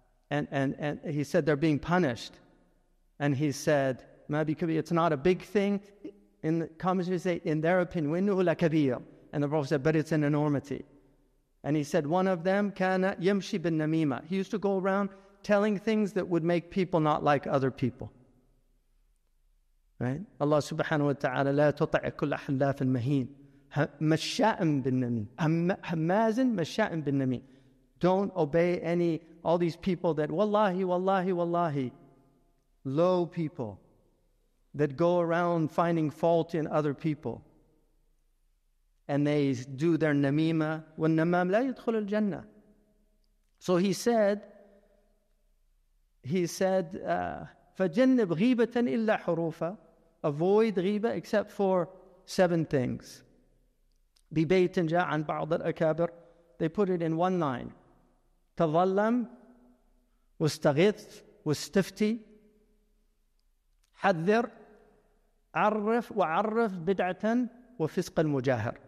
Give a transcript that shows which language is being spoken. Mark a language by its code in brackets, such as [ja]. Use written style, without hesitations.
[en] And he said, they're being punished. And he said, it's not a big thing. In the commentary, say, in their opinion, [ar] وَإِنُّهُ لَكَبِيرٌ. [en] And the Prophet said, but it's an enormity. And he said, one of them, [ar] كَانَ يَمْشِي بِالنَّمِيمَةِ. [en] He used to go around telling things that would make people not like other people. Right? [ar] Allah subhanahu wa ta'ala, لَا تُطَعِ كُلَّ حَلَّافٍ مَهِينٍ. مَشَّاءٍ بِالنَّمِيمَةِ. هَمَّازٍ مَشَّاءٍ بِالنَّمِيمَةِ. [en] Don't obey any, all these people that, wallahi, wallahi, wallahi, low people that go around finding fault in other people. And they do their namima. [ar] وَالنَّمَامُ لَا يَدْخُلُ الْجَنَّةِ. [en] So he said, he said, [ar] فَجَنِّبْ غِيبَةً إِلَّا حُرُوفًا. [en] Avoid ghibah except for seven things. [ar] بِبَيْتٍ جَاءَ عَنْ بَعْضَ الْأَكَابِرِ. [en] They put it in one line. [ar] تَظَلَّمْ وَاسْتَغِثْ وَاسْتِفْتِي حَذِّرْ عَرِّفْ وَعَرِّفْ بِدْعَةً وَفِسْقَ الْمُجَاهِرِ.